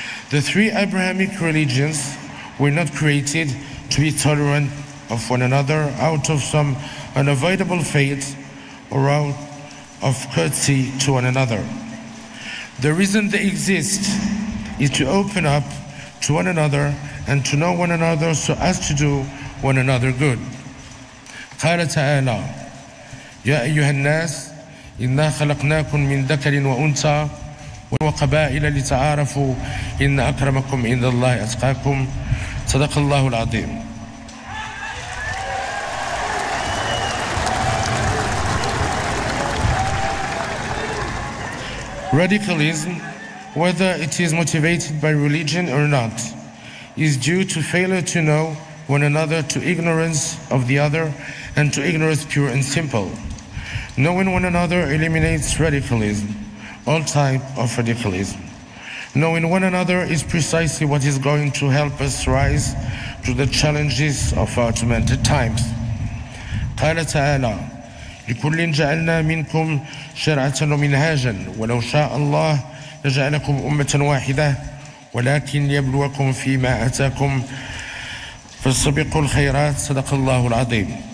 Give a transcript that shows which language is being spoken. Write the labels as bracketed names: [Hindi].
[English] The three Abrahamic religions were not created to be tolerant of one another out of some unavoidable fate or out of courtesy to one another. The reason they exist is to open up to one another and to know one another so as to do one another good. [Arabic] قال تعالى يا أيها الناس إنا خلقناكم من ذكر وأنثى وقبائل لتعارفوا إن أكرمكم عند الله أتقاكم صدق الله العظيم. [English] Radicalism, whether it is motivated by religion or not, is due to failure to know one another, to ignorance of the other, and to ignorance pure and simple. Knowing one another eliminates radicalism, all type of radicalism. Knowing one another is precisely what is going to help us rise to the challenges of our tormented times. [Arabic] قال تعالى لكل جعلنا منكم شرعة ومنهاجا ولو شاء الله لجعلكم أمة واحدة ولكن ليبلوكم فيما آتاكم فاستبقوا الخيرات صدق الله العظيم.